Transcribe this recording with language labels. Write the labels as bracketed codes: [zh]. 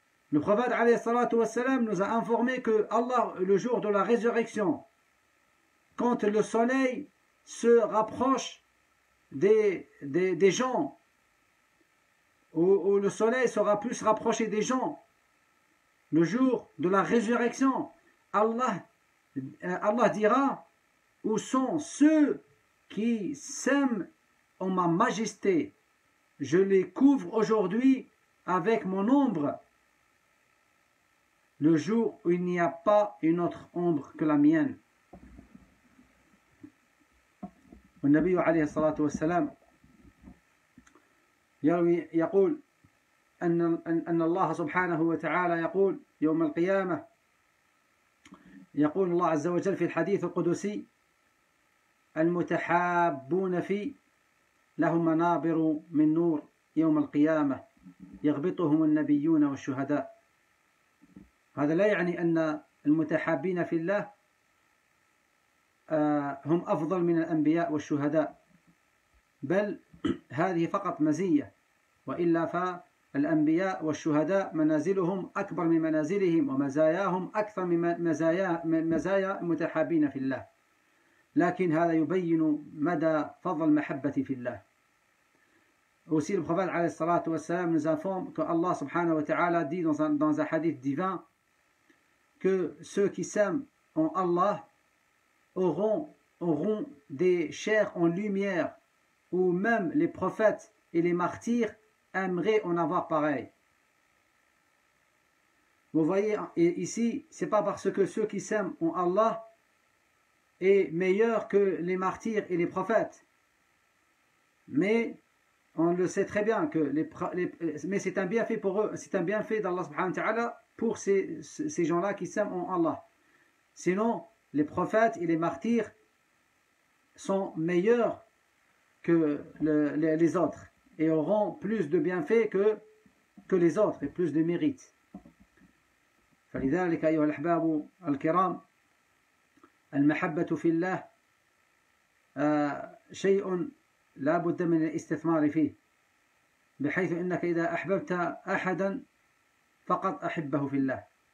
[fr] Le prophète alayhi salatu wa salam nous a informé que Allah, le jour de la résurrection, quand le soleil se rapproche des gens, ou le soleil sera plus rapproché des gens, le jour de la résurrection, Allah dira: où sont ceux qui s'aiment en ma majesté? Je les couvre aujourd'hui avec mon ombre. Le jour où il n'y a pas une autre ombre que la mienne. [ar] والنبي عليه الصلاة والسلام يروي يقول أن الله سبحانه وتعالى يقول يوم القيامة، يقول الله عز وجل في الحديث القدسي: المتحابون في لهم منابر من نور يوم القيامة يغبطهم النبيون والشهداء. هذا لا يعني أن المتحابين في الله هم أفضل من الأنبياء والشهداء، بل هذه فقط مزية، وإلا فالأنبياء والشهداء منازلهم أكبر من منازلهم ومزاياهم أكثر من مزايا المتحابين في الله، لكن هذا يبين مدى فضل محبة في الله. وسير بخفال عليه الصلاة والسلام نزافهم كالله سبحانه وتعالى دي دانزا حديث ديفان [fr] que ceux qui s'aiment en Allah auront des chairs en lumière, ou même les prophètes et les martyrs aimeraient en avoir pareil. Vous voyez ici, c'est pas parce que ceux qui s'aiment en Allah est meilleur que les martyrs et les prophètes, mais on le sait très bien que mais c'est un bienfait pour eux, c'est un bienfait d'Allah subhanahu wa ta'ala pour ces gens-là qui s'aiment en Allah. Sinon, les prophètes et les martyrs sont meilleurs que les autres et auront plus de bienfaits que les autres et plus de mérites. [ar] فلذلك أيها الأحباب الكرام المحبة في الله شيء لا بد من الاستثمار فيه بحيث إنك إذا أحببت أحدا فقط أحبه في الله.